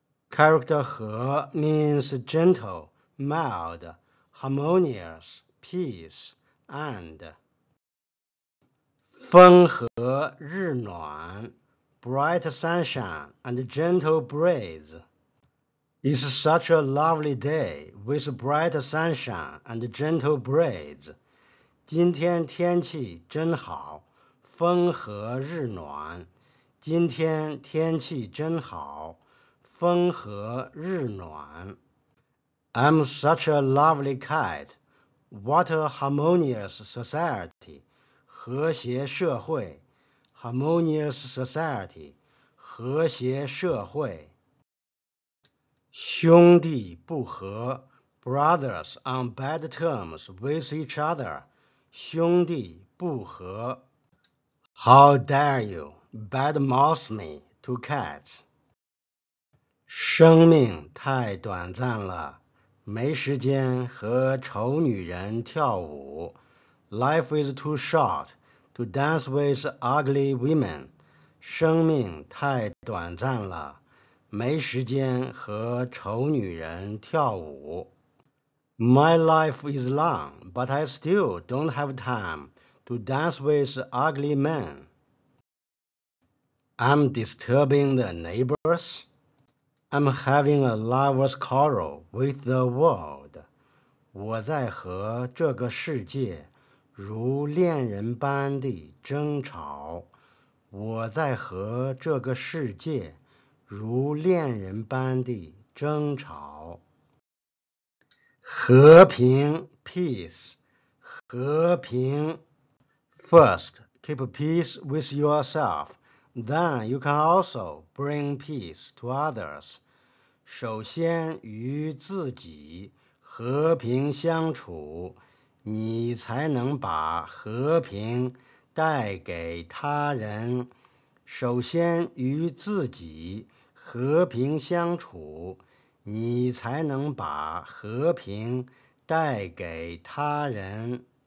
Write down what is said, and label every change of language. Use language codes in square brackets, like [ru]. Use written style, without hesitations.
[en] Character 和 means gentle, mild, harmonious, peace, and. [zh] 风和日暖, [en] bright sunshine and gentle breeze. It's such a lovely day with bright sunshine and gentle breeze. [zh] 今天天气真好,风和日暖。今天天气真好,风和日暖。 [en] I'm such a lovely cat. What a harmonious society. [zh] 和谐社会 [en] harmonious society, [zh] 和谐社会。兄弟不和 [en] brothers on bad terms with each other, 兄弟不和。 How dare you bad mouth me to cats? [zh] 生命太短暂了，没时间和丑女人跳舞。 [en] Life is too short. To dance with ugly women, [zh] 生命太短暂了, 没时间和丑女人跳舞。 [en] My life is long, but I still don't have time to dance with ugly men. I'm disturbing the neighbors. I'm having a lover's quarrel with the world. [zh] 我在和这个世界如恋人般地争吵。我在和这个世界如恋人般地争吵。和平 peace, 和平。 [en] First, keep peace with yourself, then you can also bring peace to others. [zh] 首先与自己和平相处，你才能把和平带给他人。首先与自己和平相处，你才能把和平带给他人。